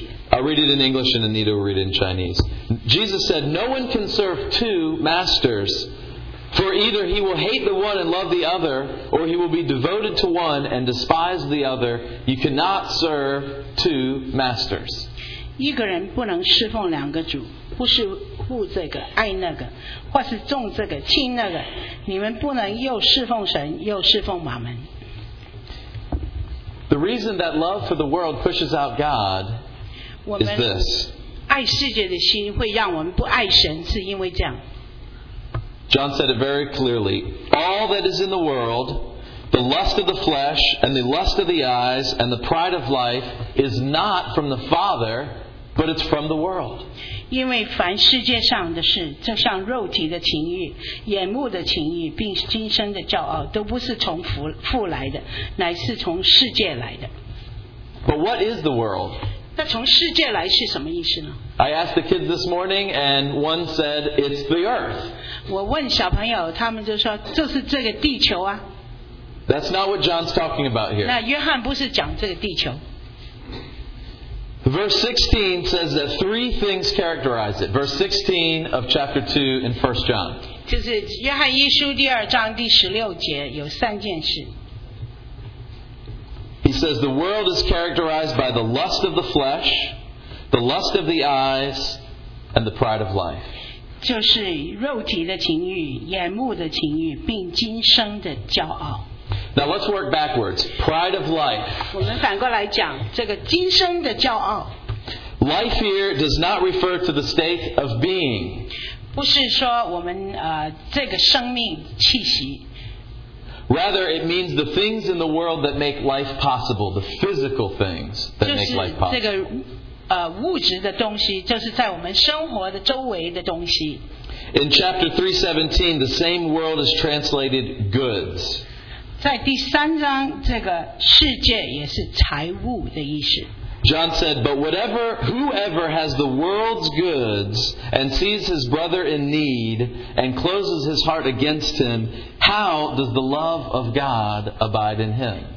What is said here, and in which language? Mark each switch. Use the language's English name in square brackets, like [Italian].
[English] I'll read it in English and Anita will read it in Chinese. Jesus said, No one can serve two masters, for either he will hate the one and love the other, or he will be devoted to one and despise the other. You cannot serve two masters. [Chinese] 一个人不能侍奉两个主，不是护这个爱那个，或是重这个轻那个，你们不能又侍奉神又侍奉马门。 [English] The reason that love for the world pushes out God is this. [Chinese] 爱世界的心会让我们不爱神，是因为这样。 [English] John said it very clearly. All that is in the world, The lust of the flesh and the lust of the eyes and the pride of life is not from the Father, but it's from the world. [Chinese] 因为凡世界上的事，这像肉体的情欲、眼目的情欲，并今生的骄傲，都不是从父来的，乃是从世界来的。 [English] But what is the world? [Chinese] 那从世界来是什么意思呢？ [English] I asked the kids this morning, and one said it's the earth. [Chinese] 我问小朋友，他们就说这是这个地球啊。 [English] That's not what John's talking about here. [Chinese] 那约翰不是讲这个地球。 [English] Verse 16 says that three things characterize it. Verse 16 of chapter 2 in 1 John. [Chinese] 就是约翰一书第二章第十六节有三件事。 [English] He says the world is characterized by the lust of the flesh, the lust of the eyes, and the pride of life. [Chinese] 就是肉体的情欲、眼目的情欲，并今生的骄傲。 [English] Now let's work backwards. Pride of life. [Chinese] 我们反过来讲，这个今生的骄傲。 [English] Life here does not refer to the state of being. [Chinese] 不是说我们这个生命气息。 [English] Rather, it means the things in the world that make life possible, the physical things that make life possible. [Chinese] 就是这个物质的东西，就是在我们生活的周围的东西。 [English] In chapter 3:17, the same world is translated goods. [Chinese] 在第三章，这个世界也是财物的意思。 [English] John said, but whoever has the world's goods and sees his brother in need and closes his heart against him, how does the love of God abide in him?